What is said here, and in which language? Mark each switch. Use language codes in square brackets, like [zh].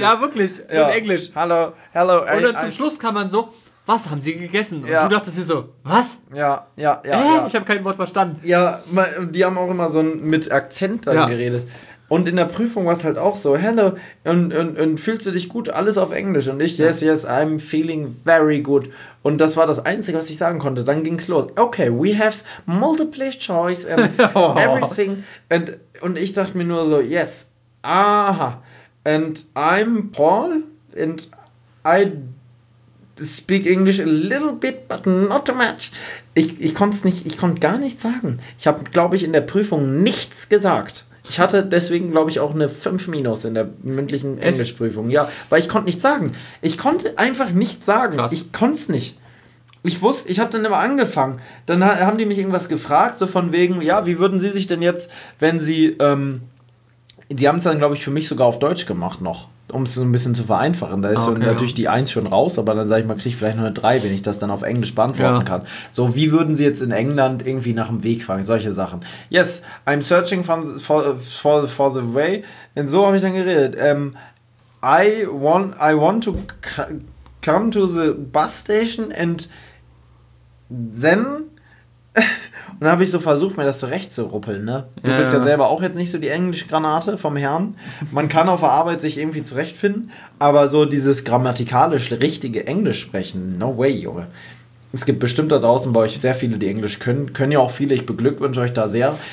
[de] Ja, wirklich. Ja. In Englisch. Hallo. [en] Hello. [de] Und dann zum Schluss kann man so, was haben sie gegessen? Und du dachtest dir so, was? Ja. Ich habe kein Wort verstanden. Ja, die haben auch immer so mit Akzent dann geredet. Und in der Prüfung war es halt auch so, hello, und fühlst du dich gut? Alles auf Englisch. Und ich, [en] yes, I'm feeling very good. [de] Und das war das Einzige, was ich sagen konnte. Dann ging's los. [en] Okay, we have multiple choice and everything. [de] Und ich dachte mir nur so, yes, aha. [en] And I'm Paul and I speak English a little bit, but not too much. [de] Ich konnte gar nichts sagen. Ich habe, glaube ich, in der Prüfung nichts gesagt. Ich hatte deswegen, glaube ich, auch eine 5- in der mündlichen Englischprüfung. Ja, weil ich konnte nichts sagen. Ich konnte einfach nichts sagen. Krass. Ich konnte es nicht. Ich habe dann immer angefangen. Dann haben die mich irgendwas gefragt, so von wegen, ja, wie würden sie sich denn jetzt, wenn sie, die haben es dann, glaube ich, für mich sogar auf Deutsch gemacht noch. Um es so ein bisschen zu vereinfachen. Da ist natürlich die 1 schon raus, aber dann sage ich mal, kriege ich vielleicht nur eine 3, wenn ich das dann auf Englisch beantworten kann. So, wie würden Sie jetzt in England irgendwie nach dem Weg fragen? Solche Sachen. [en] Yes, I'm searching for the way. [de] Und so habe ich dann geredet. [en] I want to come to the bus station and then. [de] Und dann habe ich so versucht, mir das zurechtzuruppeln, ne? Du bist ja selber auch jetzt nicht so die Englischgranate vom Herrn. Man kann auf der Arbeit sich irgendwie zurechtfinden, aber so dieses grammatikalisch richtige Englisch sprechen, [en] no way, [de] Junge. Es gibt bestimmt da draußen bei euch sehr viele, die Englisch können. Können ja auch viele, ich beglückwünsche euch da sehr.